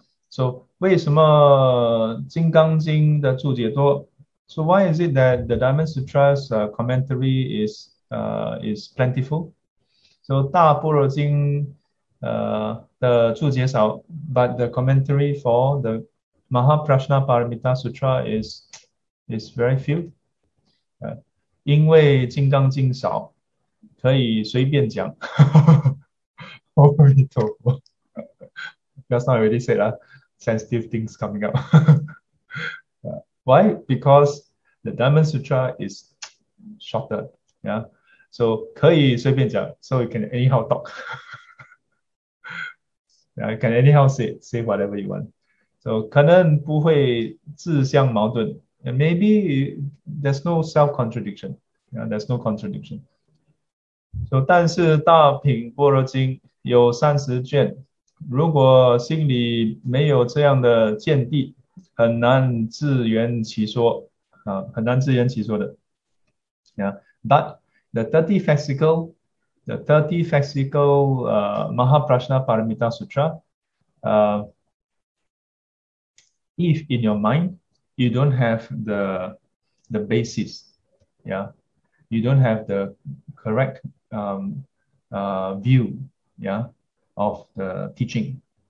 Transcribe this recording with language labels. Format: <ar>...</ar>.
<zh>So 为什么《金刚经》的注解多？</zh> <en>So why is it that the Diamond Sutra's commentary is plentiful? So</en> <zh>大般若经的注解少，</zh> <en>but the commentary for the Mahaprajna Paramita Sutra is very few.</en> <zh>因为金刚经少，可以随便讲。阿弥陀佛。</zh> <en>Just now already said that sensitive things coming up. Why? Because the Diamond Sutra is shorter, yeah. So</en> <zh>可以随便讲，</zh> <en>so you can anyhow talk. Yeah, you can anyhow say whatever you want. So</en> <zh>可能不会自相矛盾，</zh> <en>and maybe there's no self contradiction. Yeah, there's no contradiction.</en> <zh>So 但是大品般若经有30卷，如果心里没有这样的见地，很难自圆其说啊，很难自圆其说的。</zh> <en>Yeah，but the 30 fascicle Mahaprajna Paramita Sutra, if in your mind you don't have the basis, you don't have the correct view, of the teaching.</en>